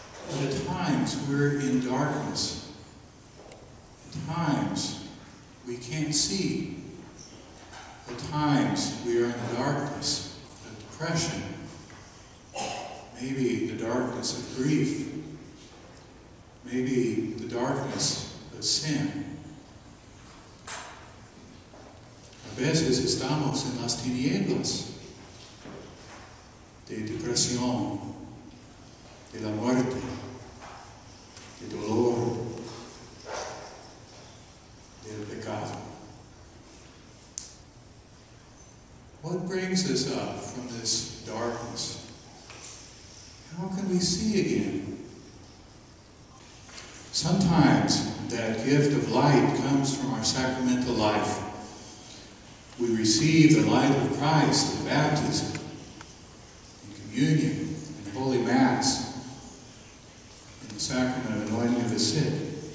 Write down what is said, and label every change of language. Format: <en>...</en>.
<en>But at times we're in darkness. At times we can't see. At times we are in the darkness of depression, maybe the darkness of grief, maybe the darkness of sin.</en> <es>A veces estamos en las tinieblas de depresión, de la muerte, de dolor, del pecado.</es> <en>What brings us up from this darkness? How can we see again? Sometimes that gift of light comes from our sacramental life. We receive the light of Christ in baptism, in communion, in Holy Mass, in the sacrament of anointing of the sick.</en>